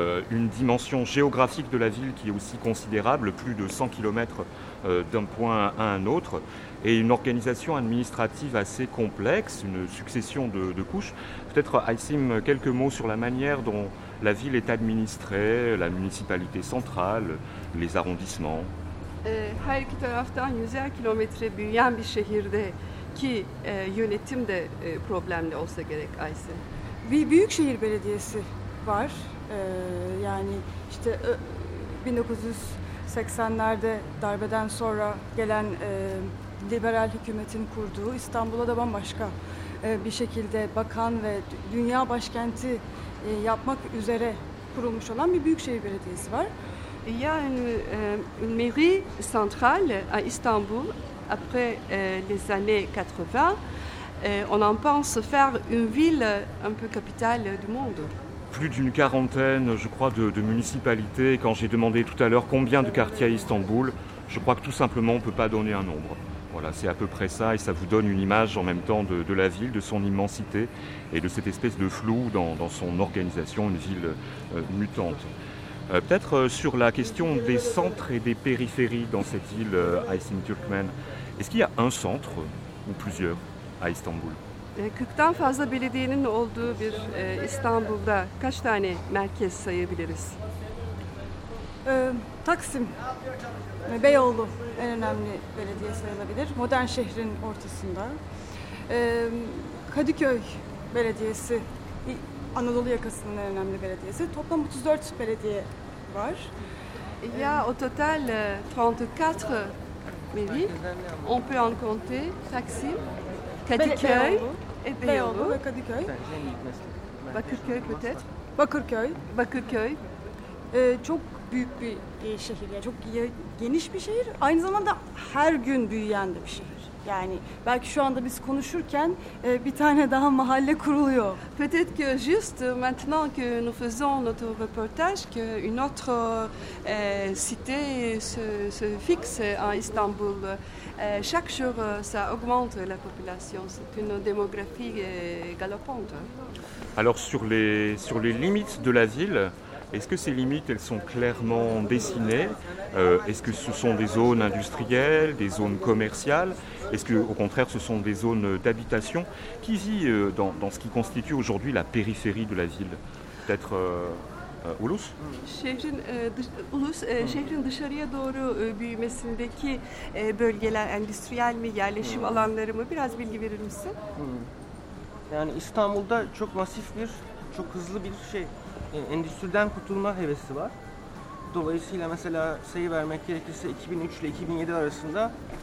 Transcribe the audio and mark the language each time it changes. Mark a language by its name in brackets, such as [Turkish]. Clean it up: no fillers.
[French] Une dimension géographique de la ville qui est aussi considérable, plus de 100 km d'un point à un autre, et une organisation administrative assez complexe, une succession de couches. Peut-être, Aïssim, quelques mots sur la manière dont la ville est administrée, la municipalité centrale, les arrondissements. [Turkish] Her iki taraftan yüzer kilometre büyüyen bir şehirde ki yönetim de problemli olsa gerek Aysin. Bir büyükşehir belediyesi var. Yani işte 1980'lerde darbeden sonra gelen liberal hükümetin kurduğu İstanbul'a da bambaşka bir şekilde bakan ve dünya başkenti yapmak üzere kurulmuş olan bir büyükşehir belediyesi var. [French] Il y a une mairie centrale à Istanbul après les années 80. On en pense faire une ville un peu capitale du monde. Plus d'une quarantaine, je crois, de municipalités. Quand j'ai demandé tout à l'heure combien de quartiers à Istanbul, je crois que tout simplement on ne peut pas donner un nombre. Voilà, c'est à peu près ça et ça vous donne une image en même temps de la ville, de son immensité et de cette espèce de flou dans son organisation, une ville mutante. Peut-être sur la question des centres et des périphéries dans cette ville Aysin Türkmen. Est-ce qu'il y a un centre ou plusieurs à Istanbul? [Turkish] 40'tan fazla belediyenin olduğu bir İstanbul'da kaç tane merkez sayabiliriz? Taksim ve Beyoğlu en önemli belediye sayılabilir. Modern şehrin ortasında. Kadıköy Belediyesi Anadolu yakasının en önemli belediyesi. Toplam 34 belediye var. [French] Ya au total 34 mairies. On peut en compter Taksim, Kadıköy, [Turkish] Beyoğlu ve Kadıköy. [French] Bakırköy peut-être. [Turkish] Bakırköy. Çok büyük bir şehir. Yani çok geniş bir şehir. Aynı zamanda her gün büyüyen de bir şehir. Yani belki şu anda biz konuşurken bir tane daha mahalle kuruluyor. [French] Peut-être que juste maintenant que nous faisons notre reportage que une autre cité se fixe en Istanbul. Chaque jour ça augmente la population, c'est une démographie galopante. Alors sur les limites de la ville, est-ce que ces limites, elles sont clairement dessinées? Est-ce que ce sont des zones industrielles, des zones commerciales? Est-ce qu'au contraire, ce sont des zones d'habitation? Qui vit dans ce qui constitue aujourd'hui la périphérie de la ville? Peut-être Ulus? [Turkish] Şehrin dışarıya doğru büyümesindeki bölgeler, endüstriyel mi, yerleşim alanları mı? Biraz bilgi verir misin? Yani İstanbul'da çok masif bir, çok hızlı bir şey. Endüstriden kurtulma hevesi var. Dolayısıyla mesela sayı vermek gerekirse 2003 ile 2007 arasında